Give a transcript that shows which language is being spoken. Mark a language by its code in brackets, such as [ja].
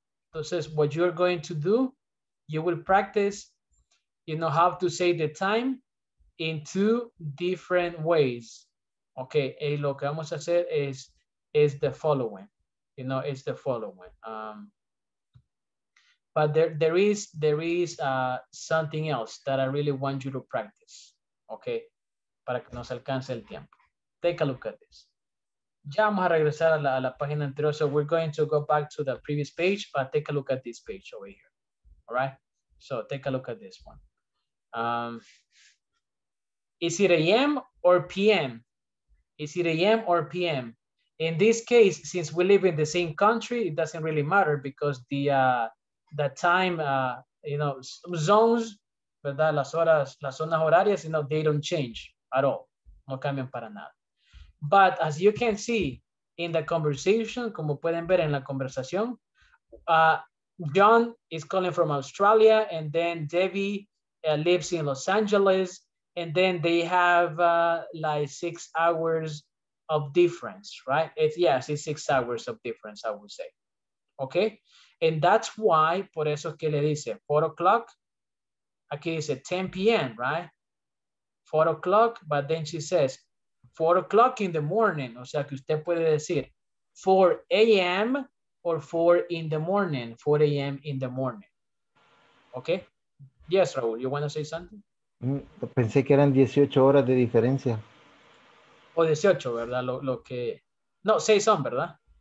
[en] Entonces, what you're going to do, you will practice, you know, how to say the time in two different ways. [es] Okay, y lo que vamos a hacer [en] is the following. You know, it's the following. But there is something else that I really want you to practice. [es] Okay, para que nos alcance el tiempo. [en] Take a look at this. [es] Ya vamos a regresar a la página anterior. [en] So we're going to go back to the previous page, but take a look at this page over here. All right, so take a look at this one. Is it AM or PM? Is it AM or PM? In this case, since we live in the same country, it doesn't really matter because the time, you know, zones, ¿verdad? [es] Las horas, las zonas horarias, [en] you know, they don't change at all. [es] No cambian para nada. [en] But as you can see in the conversation, [es] como pueden ver en la conversación, [en] John is calling from Australia, and then Debbie lives in Los Angeles, and then they have like 6 hours of difference, right? It's 6 hours of difference, I would say. Okay? And that's why, [es] por eso que le dice [en] 4 o'clock, [es] aquí dice [en] 10 p.m., right? 4 o'clock, but then she says 4 o'clock in the morning. [es] O sea, que usted puede decir 4 a.m. [en] or 4 in the morning, 4 a.m. in the morning. Okay? Yes, Raúl, you want to say something? [es] Pensé que eran 18 horas de diferencia. O 18, ¿verdad? Lo que... No, 6 son, ¿verdad?